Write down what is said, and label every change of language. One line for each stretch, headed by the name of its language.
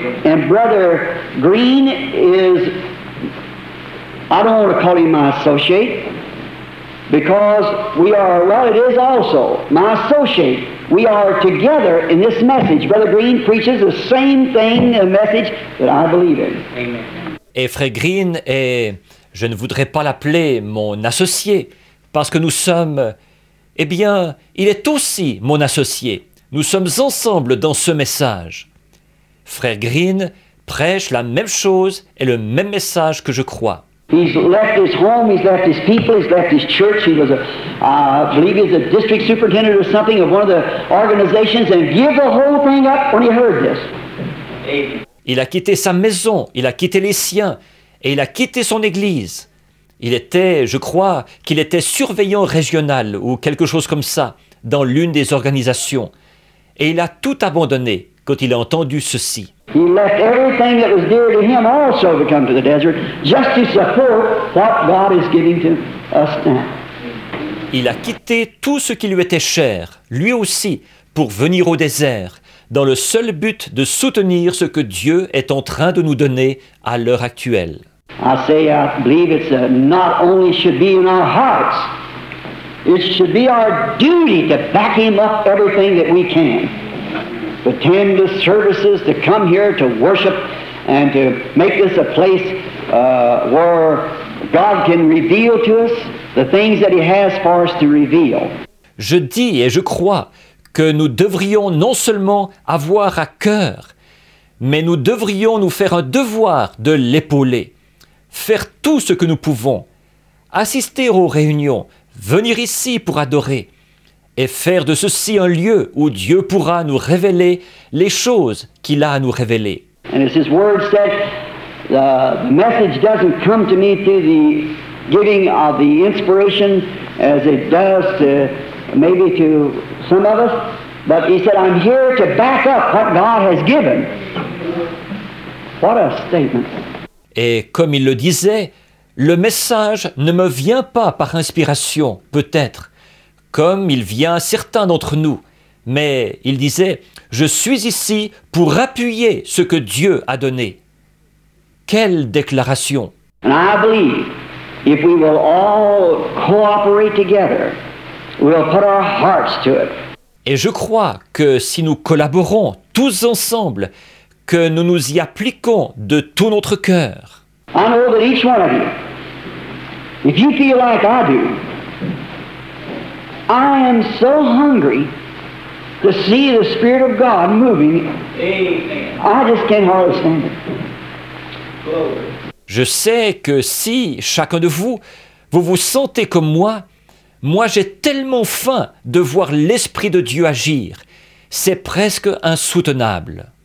English: And Brother Green is, I don't want to call him my associate, because we are, well, it is also my associate. We are together in this message. Brother Green preaches the same thing, the message that I believe in. Amen.
French: Et Frère Green est, je ne voudrais pas l'appeler mon associé, parce que nous sommes, eh bien, il est aussi mon associé. Nous sommes ensemble dans ce message. Frère Green prêche la même chose et le même message que je crois.
English: He's left his home, he's left his people, he's left his church. He was a, I believe he's a district superintendent or something of one of the organizations, and give the whole thing up when he heard this.
French: Il a quitté sa maison, il a quitté les siens, et il a quitté son église. Il était, je crois, qu'il était surveillant régional ou quelque chose comme ça dans l'une des organisations. Et il a tout abandonné quand il a entendu ceci.
English: He left everything that was dear to him also to come to the desert just to support what God is giving to us now.
French: Il a quitté tout ce qui lui était cher, lui aussi, pour venir au désert, dans le seul but de soutenir ce que Dieu est en train de nous donner à l'heure actuelle.
English: I say, I believe it's a, not only should be in our hearts, it should be our duty to back him up everything that we can. To attend the services, to come here to worship, and to make this a place where God can reveal to us the things that he has for us to reveal.
French: Je dis et je crois que nous devrions non seulement avoir à cœur, mais nous devrions nous faire un devoir de l'épauler, faire tout ce que nous pouvons, assister aux réunions, venir ici pour adorer, et faire de ceci un lieu où Dieu pourra nous révéler les choses qu'il a à nous révéler.
English: And as his word said, the message doesn't come to me through the giving of the inspiration as it does to maybe to some of us, but he said, I'm here to back up what God has given. What a statement.
French: Et comme il le disait, le message ne me vient pas par inspiration, peut-être, comme il vient à certains d'entre nous. Mais il disait, je suis ici pour appuyer ce que Dieu a donné. Quelle déclaration!
English: And I believe if we will all cooperate together, we'll put our hearts to it.
French: Et je crois que si nous collaborons tous ensemble, que nous nous y appliquons de tout notre cœur.
English: I know that each one of you, if you feel like I do, I am so hungry to see the Spirit of God moving. Amen. I just can't hardly stand it.
French: Je sais que si chacun de vous, vous vous sentez comme moi, moi j'ai tellement faim de voir l'Esprit de Dieu agir. C'est presque insoutenable.